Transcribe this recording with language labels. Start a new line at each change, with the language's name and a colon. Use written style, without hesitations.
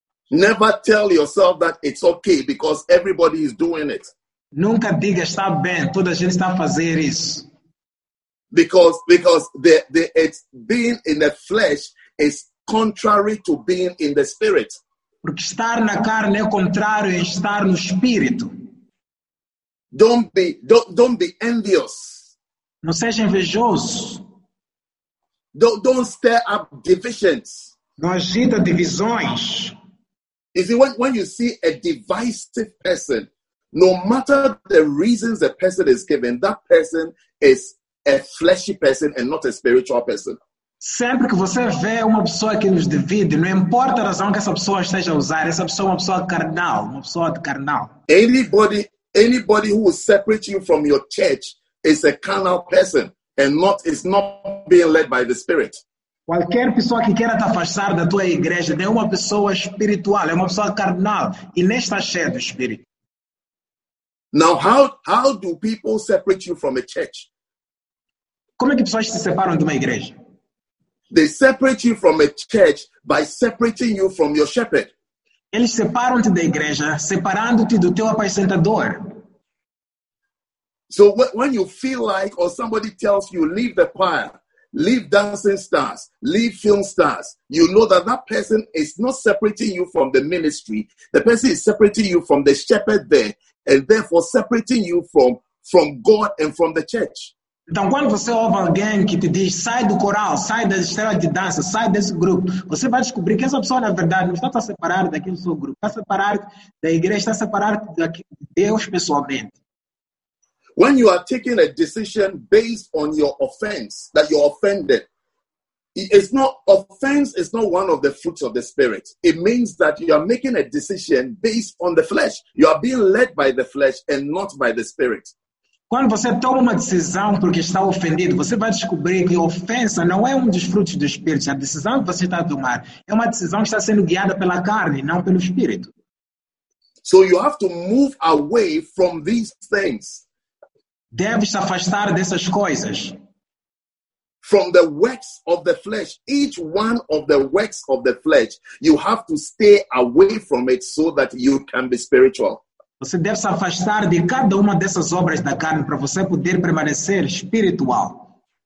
English: Never tell yourself that it's okay because everybody is doing it.
Portuguese: Nunca diga está bem, toda a gente está a fazer isso.
English: Because it's being in the flesh is contrary to being in the spirit.
Portuguese: Porque estar na carne é contrário a estar no espírito.
English: Don't be envious.
Portuguese: Não seja invejoso.
English: Don't stir up divisions.
Portuguese: Não agita divisões.
English: Is it when you see a divisive person? No matter the reasons a person is given, that person is a fleshy person and not a spiritual person.
Portuguese: Sempre que você vê uma pessoa que nos divide, não importa a razão que essa pessoa esteja a usar, essa pessoa é uma pessoa carnal, uma pessoa de carnal.
English: Anybody who will separate you from your church is a carnal person, and not is not being led by the Spirit.
Portuguese: Qualquer pessoa que queira te afastar da tua igreja não é uma pessoa espiritual, é uma pessoa carnal e nem está cheia do Espírito.
English: Now, how do people separate you from a church?
Portuguese: Como é que pessoas se separam de uma igreja?
English: They separate you from a church by separating you from your shepherd.
Portuguese: Eles separam-te da igreja, separando-te do teu apacentador.
English: So when you feel like or somebody tells you, leave the choir, leave dancing stars, leave film stars, you know that that person is not separating you from the ministry. The person is separating you from the shepherd there and therefore separating you from God and from the church.
Portuguese: Então, quando você ouve alguém que te diz, sai do coral, sai das estrelas de dança, sai desse grupo, você vai descobrir que essa pessoa, na verdade, não está separada daquele seu grupo, está separada da igreja, está separada de Deus pessoalmente.
English: When you are taking a decision based on your offense, that you're offended, it's not, offense is not one of the fruits of the Spirit. It means that you are making a decision based on the flesh. You are being led by the flesh and not by the Spirit.
Portuguese: Quando você toma uma decisão porque está ofendido, você vai descobrir que a ofensa não é um dos frutos do Espírito. A decisão que você está a tomar é uma decisão que está sendo guiada pela carne, não pelo Espírito.
English: So you have to move away from these things.
Portuguese: Deve se afastar dessas coisas.
English: From the works of the flesh, each one of the works of the flesh, you have to stay away from it so that you can be spiritual.
Portuguese: Você deve se afastar de cada uma dessas obras da carne para você poder permanecer espiritual.